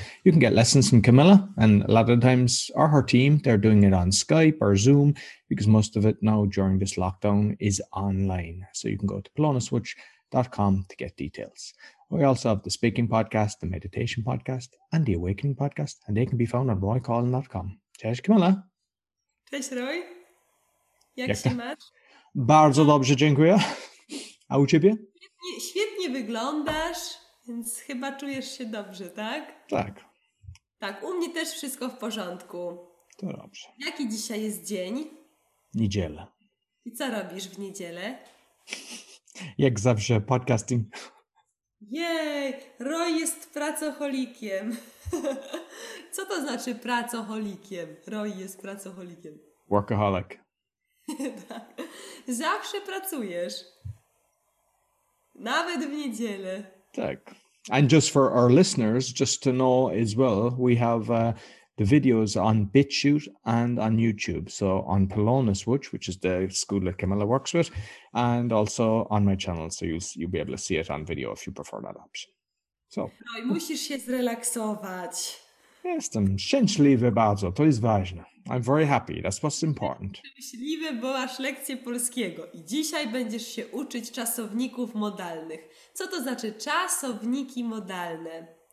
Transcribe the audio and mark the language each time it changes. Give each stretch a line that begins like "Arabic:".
English: You can get lessons from Camilla, and a lot of the times, or her team, they're doing it on Skype or Zoom because most of it now during this lockdown is online. So you can go to polonaswitch.com to get details. We also have the speaking podcast, the meditation podcast, and the awakening podcast, and they can be found on roycallin.com.
Polish: Cześć, Camilla. Cześć, Roy. Jak się masz? Bardzo dobrze, dziękuję. A u ciebie? Świetnie wyglądasz, więc chyba czujesz się dobrze, tak? Tak. Tak, u mnie też wszystko w porządku. To dobrze. Jaki dzisiaj jest dzień? Niedziela. I co robisz w niedzielę? Jak zawsze, podcasting. Jej, Roy jest pracoholikiem. Co to znaczy pracoholikiem? Roy jest pracoholikiem.
English: Workaholic.
Polish: Zawsze pracujesz. Nawet w niedzielę. Tak.
English: And just for our listeners, just to know as well, we have the videos on BitChute and on YouTube. So on Polonus Witch, which is the school that Camilla works with, and also on my channel. So you'll be able to see it on video if you prefer that option. So.
Polish: No i musisz się zrelaksować. Jestem szczęśliwy bardzo. To jest ważne.
English: I'm very happy. That's what's important.
Polish: Szczęśliwy, bo masz lekcję polskiego. I dzisiaj będziesz się uczyć czasowników modalnych. Co to znaczy czasowniki modalne?